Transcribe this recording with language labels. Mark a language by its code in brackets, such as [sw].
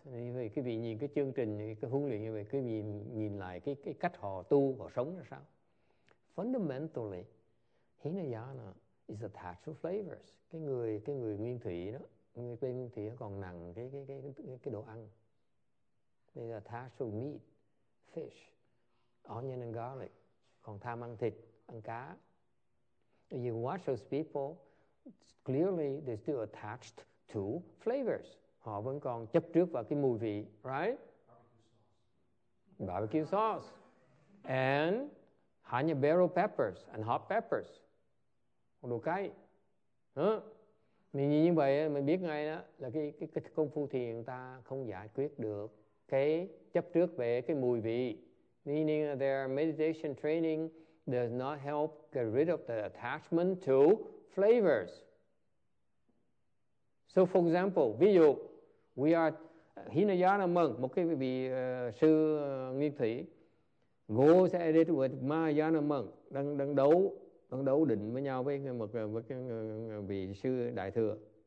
[vi] Như vậy, quý vị nhìn cái chương trình, cái huấn luyện như vậy, quý vị nhìn lại cái cách họ tu, họ sống là sao? [en] Fundamentally, Hinayana is attached to flavors. [vi] Cái người nguyên thủy đó, người nguyên thủy còn nặng cái đồ ăn. [en] They're attached to meat, fish, onion and garlic. [vi] Còn tham ăn thịt, ăn cá. [en] You watch those people, clearly they're still attached to flavors. [vi] Họ vẫn còn chấp trước vào cái mùi vị, right? [en] Barbecue sauce. And habanero peppers and hot peppers. [vi] Còn đồ cay. [en] Huh? [vi] Mình nhìn như vậy, mình biết ngay đó, là cái công phu thiền ta không giải quyết được cái chấp trước về cái mùi vị. [en] Meaning their meditation training does not help get rid of the attachment to flavors. So for example, [vi] ví dụ, [en] we are Hinayana monk, [vi] một cái vị sư nguyên thủy, [en] goes at it with Mahayana monk, [vi] đang đấu định với nhau với cái vị sư đại thừa.